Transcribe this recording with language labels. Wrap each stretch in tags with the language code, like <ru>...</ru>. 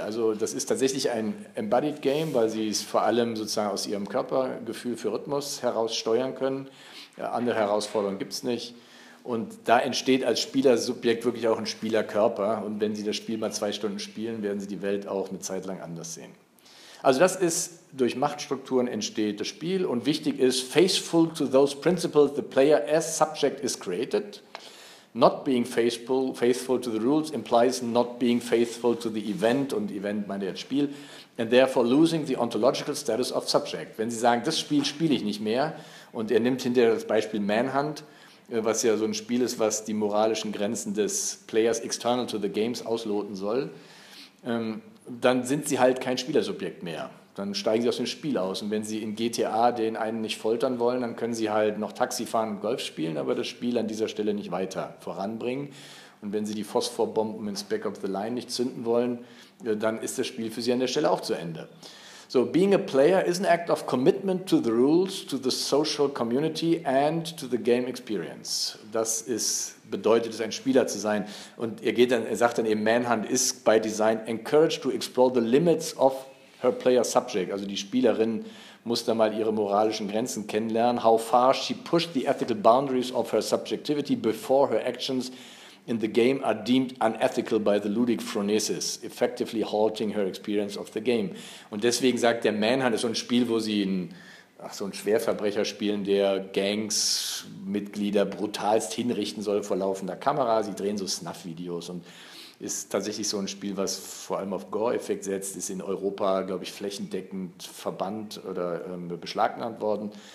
<de>Also das ist tatsächlich ein embodied game, weil Sie es vor allem sozusagen aus Ihrem Körpergefühl für Rhythmus heraus steuern können. Ja, andere Herausforderungen gibt es nicht. Und da entsteht als Spielersubjekt wirklich auch ein Spielerkörper. Und wenn Sie das Spiel mal 2 Stunden spielen, werden Sie die Welt auch eine Zeit lang anders sehen. Also das ist, durch Machtstrukturen entsteht das Spiel. Und wichtig ist,</de> <en>faithful to those principles, the player as subject is created. Not being faithful to the rules implies not being faithful to the event.</en> <de>Und Event meint ja das Spiel.</de> <en>And therefore losing the ontological status of subject.</en> <de>Wenn Sie sagen, das Spiel spiele ich nicht mehr. Und er nimmt hinterher das Beispiel Manhunt, was ja so ein Spiel ist, was die moralischen Grenzen des Players</de> <en>external to the games</en> <de>ausloten soll, dann sind sie halt kein Spielersubjekt mehr. Dann steigen sie aus dem Spiel aus. Und wenn sie in GTA den einen nicht foltern wollen, dann können sie halt noch Taxi fahren und Golf spielen, aber das Spiel an dieser Stelle nicht weiter voranbringen. Und wenn sie die Phosphorbomben ins Back of the Line nicht zünden wollen, dann ist das Spiel für sie an der Stelle auch zu Ende.</de> <en>So, being a player is an act of commitment to the rules, to the social community and to the game experience.</en> <de>Das ist, bedeutet es, ein Spieler zu sein. Und er sagt dann eben, Manhunt</de> <en>is by design encouraged to explore the limits of her player subject.</en> <de>Also die Spielerin muss da mal ihre moralischen Grenzen kennenlernen.</de> <en>How far she pushed the ethical boundaries of her subjectivity before her actions in the game are deemed unethical by the ludic phronesis, effectively halting her experience of the game.</en> <de>Und deswegen sagt der Manhunt, ist so ein Spiel, wo sie einen Schwerverbrecher spielen, der Gangsmitglieder brutalst hinrichten soll vor laufender Kamera. Sie drehen so Snuff-Videos und ist tatsächlich so ein Spiel, was vor allem auf Gore-Effekt setzt, ist in Europa, glaube ich, flächendeckend verbannt oder beschlagnahmt worden.</de>